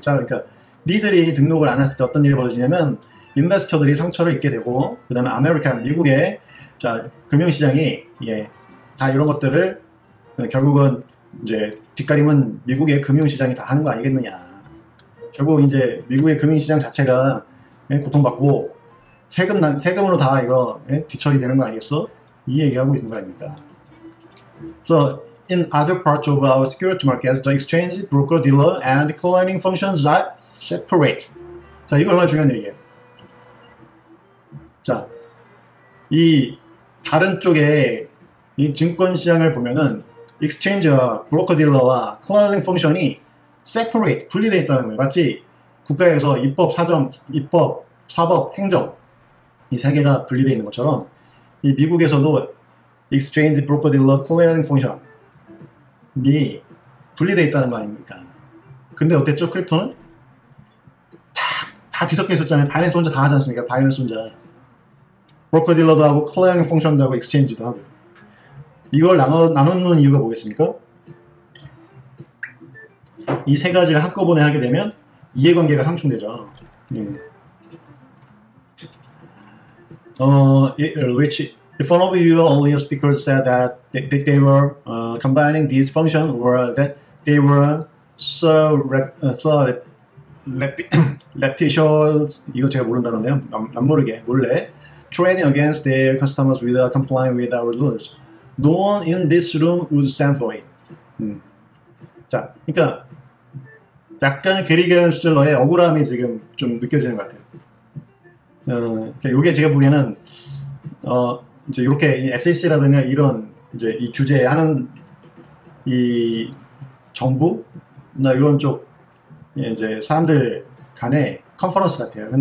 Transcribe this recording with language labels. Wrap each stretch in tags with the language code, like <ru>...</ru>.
<ko>자, 그러니까 니들이 등록을 안 했을 때 어떤 일이 벌어지냐면, 인베스터들이 상처를 입게 되고, 그 다음에 아메리칸, 미국의, 자, 금융시장이, 예, 다 이런 것들을, 결국은 이제 뒷가림은 미국의 금융시장이 다 하는 거 아니겠느냐. 결국 이제 미국의 금융시장 자체가, 예, 고통받고, 세금으로 다 이거, 예, 뒤처리 되는 거 아니겠어? 이 얘기하고 있는 거 아닙니까?</ko> <en>So, in other parts of our security markets, the exchange, broker, dealer, and clearing functions are separate.</en> <ko>자, 이거 얼마나 중요한 얘기예요. 자, 이 다른 쪽에 이 증권 시장을 보면은 exchange와 broker, dealer와 clearing function이 separate, 분리되어 있다는 거예요. 맞지? 국가에서 입법, 사정, 입법, 사법, 행정. 이세 개가 분리되어 있는 것처럼, 이 미국에서도 exchange, broker, dealer, clearing function이 분리되어 있다는 거 아닙니까? 근데 어땠죠, 크립토는? 다 뒤섞여 있었잖아요. 바이낸스 혼자 다 하지 않습니까? 바이낸스 혼자. broker, dealer도 하고, clearing function도 하고, exchange도 하고. 이걸 나누는 이유가 뭐겠습니까? 이세 가지를 한꺼번에 하게 되면 이해관계가 상충되죠.</ko> <en>which, if one of you earlier speakers said that they were combining these functions or that they were surreptitious,</en> <ko>이거 제가 모른다는데요. 남모르게, 몰래.</ko> <en>Trading against their customers without complying with our rules. No one in this room would stand for it.</en> <ko>자, 그러니까 약간 게리 갤란슬러의 억울함이 지금 좀 느껴지는 것 같아요. 이게 제가 보기에는, 이제 이렇게 SEC라든가 이런, 이제 이 규제에 하는 이 정부나 이런 쪽, 이제 사람들 간의 컨퍼런스 같아요.</ko>